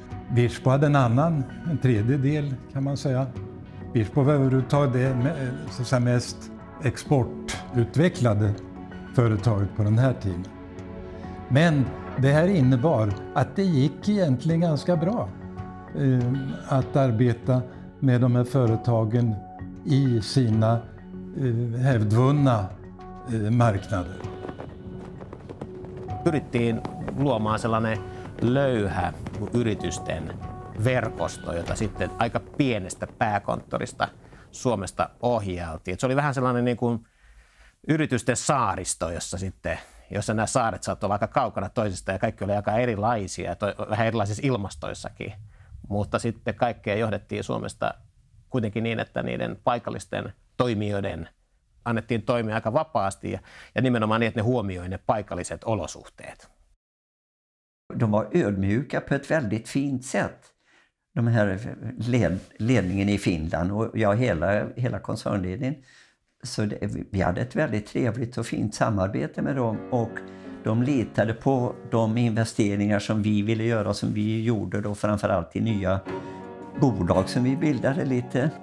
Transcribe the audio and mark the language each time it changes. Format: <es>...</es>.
<sv>Virspo hade en annan, en tredje del kan man säga. Virspo var överhuvudtaget det mest exportutvecklade företaget på den här tiden. Men det här innebar att det gick egentligen ganska bra att arbeta med de här företagen i sina hävdvunna marknader.</sv> <fi>Pyrittiin luomaan sellainen löyhä yritysten verkosto, jota sitten aika pienestä pääkonttorista Suomesta ohjailtiin. Se oli vähän sellainen niin kuin yritysten saaristo, jossa nämä saaret saattoi olla aika kaukana toisista ja kaikki oli aika erilaisia, vähän erilaisissa ilmastoissakin. Mutta sitten kaikkea johdettiin Suomesta kuitenkin niin, että niiden paikallisten toimijoiden annettiin toimia aika vapaasti ja nimenomaan niin, että ne huomioi ne paikalliset olosuhteet.</fi> <sv>De var ödmjuka på ett väldigt fint sätt, de här ledningen i Finland och ja, hela koncernledningen. Så vi hade ett väldigt trevligt och fint samarbete med dem och de litade på de investeringar som vi ville göra som vi gjorde då framförallt i nya bolag som vi bildade lite.</sv>